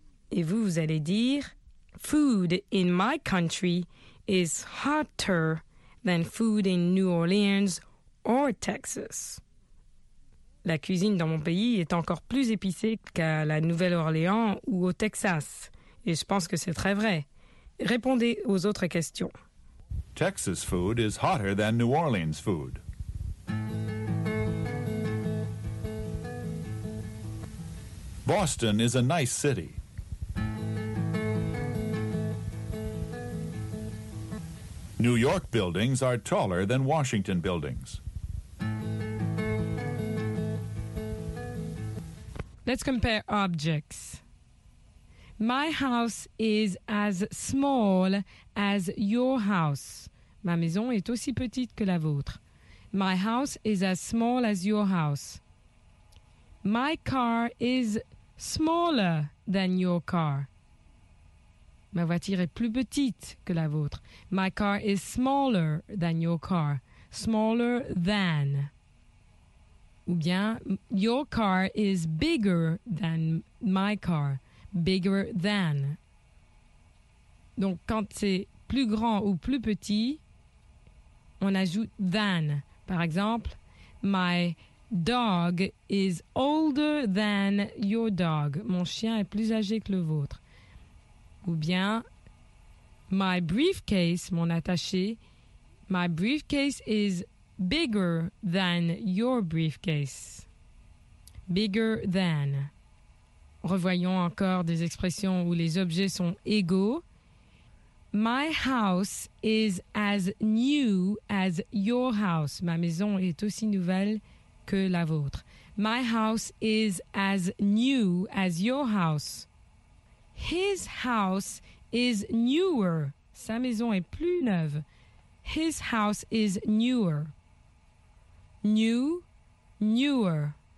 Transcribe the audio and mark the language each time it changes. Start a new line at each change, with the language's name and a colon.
French: Et vous, vous allez dire,
English: food in my country is hotter than food in New Orleans or Texas.
French: La cuisine dans mon pays est encore plus épicée qu'à la Nouvelle-Orléans ou au Texas. Et je pense que c'est très vrai. Répondez aux autres questions.
English: Texas food is hotter than New Orleans food. Boston is a nice city. New York buildings are taller than Washington buildings. Let's compare objects. My house is as small as your house.
French: Ma maison est aussi petite que la vôtre.
English: My house is as small as your house. My car is smaller than your car.
French: Ma voiture est plus petite que la vôtre.
English: My car is smaller than your car. Smaller than.
French: Ou bien,
English: your car is bigger than my car. Bigger than.
French: Donc, quand c'est plus grand ou plus petit, on ajoute than. Par exemple,
English: my dog is older than your dog.
French: Mon chien est plus âgé que le vôtre. Ou bien,
English: my briefcase,
French: mon attaché,
English: my briefcase is bigger than your briefcase. Bigger than.
French: Revoyons encore des expressions où les objets sont égaux.
English: My house is as new as your house.
French: Ma maison est aussi nouvelle que la vôtre.
English: My house is as new as your house. His house is newer.
French: Sa maison est plus neuve.
English: His house is newer. New, newer.